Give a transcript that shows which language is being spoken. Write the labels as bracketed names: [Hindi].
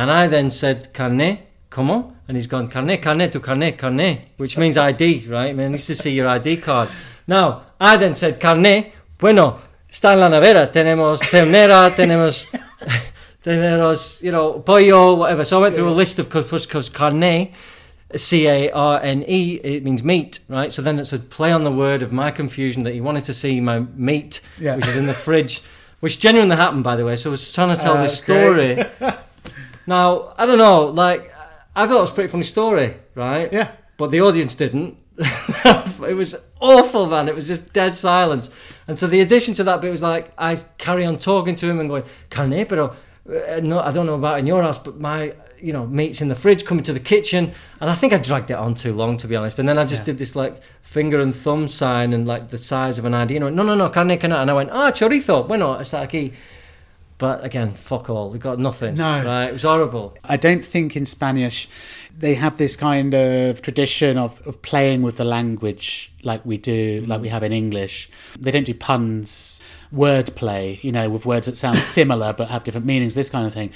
[English] And I then said, "Carne, ¿cómo?" And he's gone, carne, which means ID, right? Man, needs to see your ID card. [Spanish] Now, I then said, "Carne, bueno, está en la nevera, tenemos ternera, tenemos, tenemos, you know, pollo, whatever." [English] So I went through a list of cuz carne, C-A-R-N-E, it means meat, right? So then it's a play on the word of my confusion that he wanted to see my meat, which is in the fridge, which genuinely happened, by the way. So I was trying to tell this story. Now, I don't know, like, I thought it was a pretty funny story, right? Yeah. But the audience didn't. It was awful, man. It was just dead silence. And so the addition to that bit was like, I carry on talking to him and going, "Carne, pero, no, I don't know about in your house, but my, you know, meat's in the fridge, coming to the kitchen." And I think I dragged it on too long, to be honest. But then I just did this, like, finger and thumb sign and, like, the size of an ID. And I went, no, carne, carne. [Spanish] And I went, chorizo, bueno, está aquí. [English] But again, fuck all. We got nothing. No. Right? It was horrible. I don't think in Spanish they have this kind of tradition of playing with the language like we do, like we have in English. They don't do puns, wordplay, you know, with words that sound similar but have different meanings, this kind of thing.